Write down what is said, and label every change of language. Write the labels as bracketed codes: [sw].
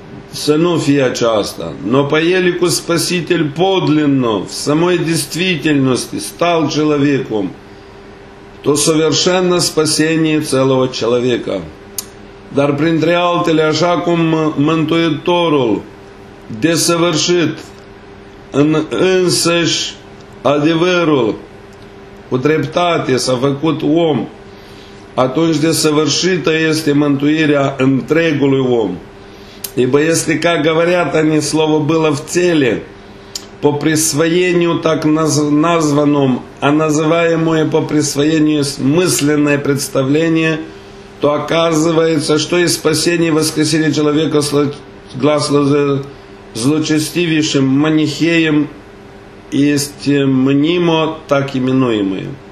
[ro] Să nu fie aceasta. [ru] Но по елику Спаситель подлинно, в самой действительности, стал человеком, то совершенно спасение целого человека. [ro] Dar printre altele, așa cum Mântuitorul desăvârșit în însăși adevărul, cu dreptate s-a făcut om, atunci desăvârșită este mântuirea întregului om. [ru] Ибо если, как говорят они, слово было в теле, по присвоению так названном, а называемое по присвоению мысленное представление, то оказывается, что и спасение и воскресение человека глаз злочестивейшим манихеем есть мнимо так именуемое.